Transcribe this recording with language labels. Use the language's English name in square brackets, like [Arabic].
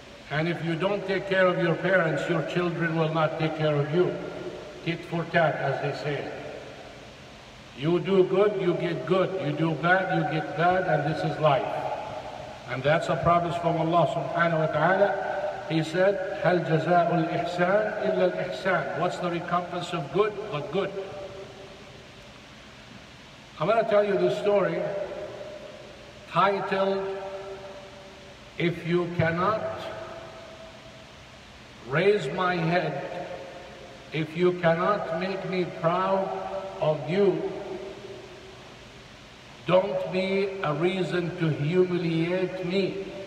[English] And if you don't take care of your parents, your children will not take care of you. Tit for tat, as they say. You do good, you get good. You do bad, you get bad, and this is life. And that's a promise from Allah subhanahu wa ta'ala. He said, [Arabic] هَلْ جَزَاءُ الْإِحْسَانِ إِلَّا الْإِحْسَانِ. [English] What's the recompense of good but good? I'm going to tell you this story titled, If You Cannot Raise My Head, If You Cannot Make Me Proud of You, Don't Be a Reason to Humiliate Me.